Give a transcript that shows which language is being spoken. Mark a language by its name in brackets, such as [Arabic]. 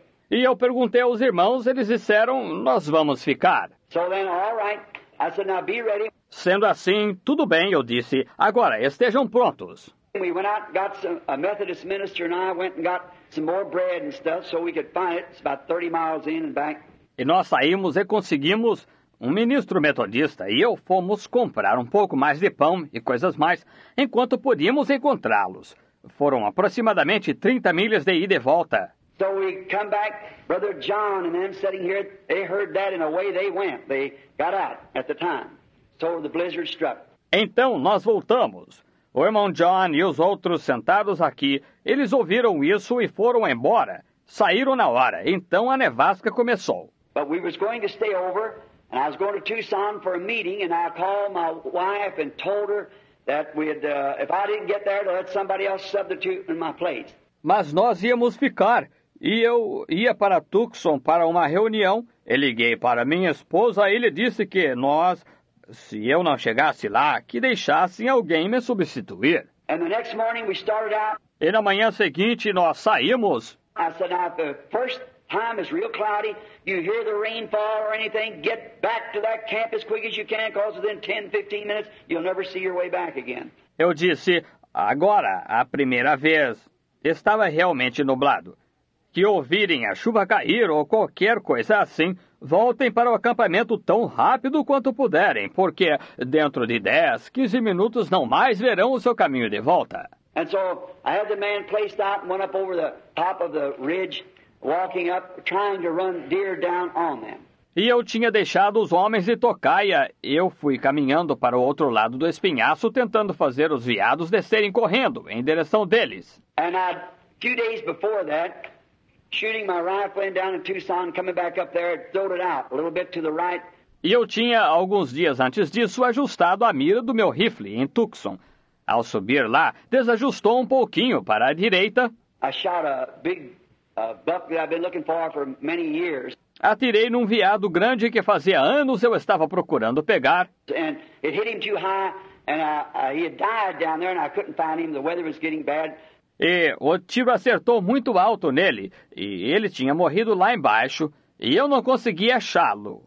[Portuguese] E eu perguntei aos irmãos, eles disseram, nós vamos ficar. [English] So then, all right. I said, now be ready. [Portuguese] Sendo assim, tudo bem, eu disse, agora estejam prontos. [English] We went out and got a Methodist minister and I went and got some more bread and stuff so we could find it. It's about 30 miles in and back. [Portuguese] E nós saímos e conseguimos um ministro metodista e eu fomos comprar um pouco mais de pão e coisas mais enquanto podíamos encontrá-los. Foram aproximadamente 30 milhas de ida e volta. [English] So we come back, Brother John and them sitting here, they heard that and away they went. They got out at the time. So the blizzard struck. [Portuguese] Então nós voltamos. O irmão John e os outros sentados aqui, eles ouviram isso e foram embora. Saíram na hora. Então a nevasca começou. [English] But we was going to stay over and I was going to Tucson for a meeting and I called my wife and told her that if I didn't get there, to let somebody else substitute in my place. [Portuguese] Mas nós íamos ficar, e eu ia para Tucson para uma reunião, e liguei para minha esposa, e ele disse que nós, se eu não chegasse lá, que deixassem alguém me substituir. [English] And the next morning we started out. [Portuguese] E na manhã seguinte nós saímos. [English] I said, now, the first time is real cloudy, you hear the rainfall or anything, get back to that camp as quick as you can, because within 10, 15 minutes, you'll never see your way back again. [Portuguese] Eu disse, agora, a primeira vez. Estava realmente nublado. Que ouvirem a chuva cair ou qualquer coisa assim, voltem para o acampamento tão rápido quanto puderem, porque dentro de 10, 15 minutos não mais verão o seu caminho de volta. [English] And so I had the man placed out and went up over the top of the ridge, walking up, trying to run deer down on them. [Portuguese] E eu tinha deixado os homens de tocaia. Eu fui caminhando para o outro lado do espinhaço, tentando fazer os veados descerem correndo em direção deles. [English] And a few days before that, shooting my rifle down in Tucson, coming back up there, throwed it out a little bit to the right. [Portuguese] E eu tinha, alguns dias antes disso, ajustado a mira do meu rifle em Tucson. Ao subir lá, desajustou um pouquinho para a direita. [English] I shot a big buck that I've been looking for many years. [Portuguese] Atirei num veado grande que fazia anos eu estava procurando pegar. [English] And it hit him too high, and he had died down there, and I couldn't find him. The weather was getting bad. [Portuguese] E o tiro acertou muito alto nele, e ele tinha morrido lá embaixo, e eu não consegui achá-lo.